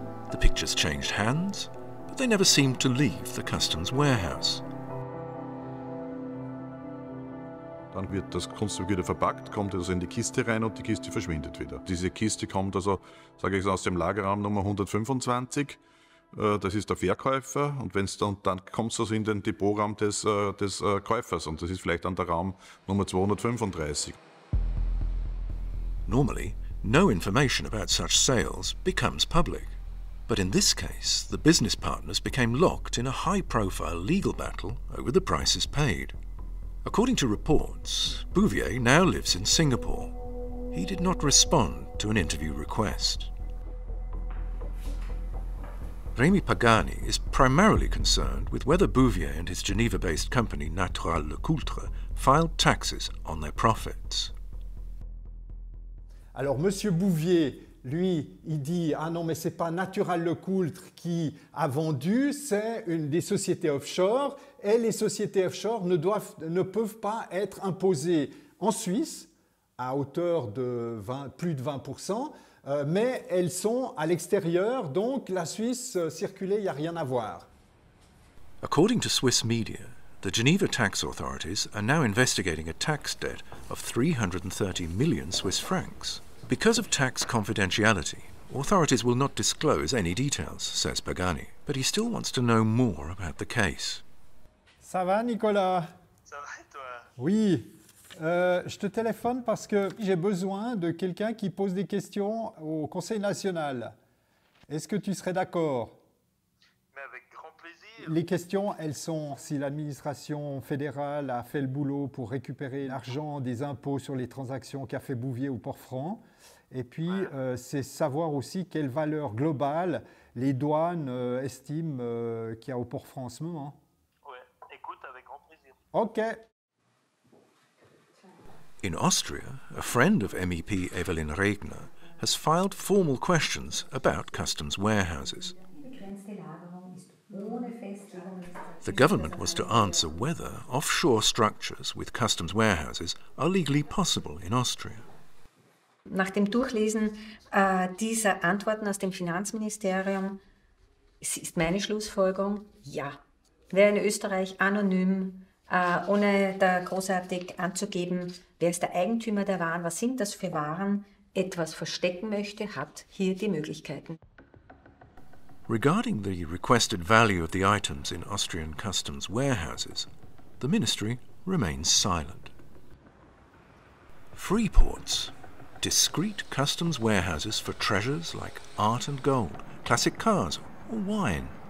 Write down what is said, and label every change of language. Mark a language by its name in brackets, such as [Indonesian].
[English] The pictures changed hands, but they never seemed to leave the customs warehouse. [German] Dann wird das Kunststück wieder verpackt, kommt also in die Kiste rein und die Kiste verschwindet wieder. Diese Kiste kommt also, sage ich, aus dem Lagerraum Nummer 125. Das ist der Verkäufer und dann kommst du also in den Depotraum des Käufers und das ist vielleicht dann der Raum Nummer 235. [English] Normally, no information about such sales becomes public. But in this case, the business partners became locked in a high-profile legal battle over the prices paid. According to reports, Bouvier now lives in Singapore. He did not respond to an interview request. Remy Pagani is primarily concerned with whether Bouvier and his Geneva-based company Natural Le Coultre filed taxes on their profits. [French] Alors Monsieur Bouvier, lui, il dit ah non mais c'est pas Natural Le Coultre qui a vendu, c'est une des sociétés offshore et les sociétés offshore ne peuvent pas être imposées en Suisse à hauteur de plus de 20%. Mais elles sont à l'extérieur, donc la Suisse circulait, il n'y a rien à voir. [English] According to Swiss media, the Geneva tax authorities are now investigating a tax debt of 330 million Swiss francs. Because of tax confidentiality, authorities will not disclose any details, says Pagani. But he still wants to know more about the case. [French] Ça va, Nicolas? Ça va, et toi? Oui. Je te téléphone parce que j'ai besoin de quelqu'un qui pose des questions au Conseil national. Est-ce que tu serais d'accord? Mais avec grand plaisir. Les questions, elles sont si l'administration fédérale a fait le boulot pour récupérer l'argent des impôts sur les transactions qu'a fait Bouvier ou Port-Franc. Et puis, c'est savoir aussi quelle valeur globale les douanes estiment qu'il y a au Port-Franc en ce moment. Oui, écoute, avec grand plaisir. Ok. [English] In Austria, a friend of MEP Evelyn Regner has filed formal questions about customs warehouses. The government was to answer whether offshore structures with customs warehouses are legally possible in Austria. [German] Nach dem Durchlesen dieser Antworten aus dem Finanzministerium ist meine Schlussfolgerung, ja. Wer in Österreich anonym, ohne da großartig anzugeben, wer ist der Eigentümer der Waren, was sind das für Waren, etwas verstecken möchte, hat hier die Möglichkeiten. [English] Regarding the requested value of the items in Austrian customs warehouses, the ministry remains silent. Freeports, discreet customs warehouses for treasures like art and gold, classic cars or wine.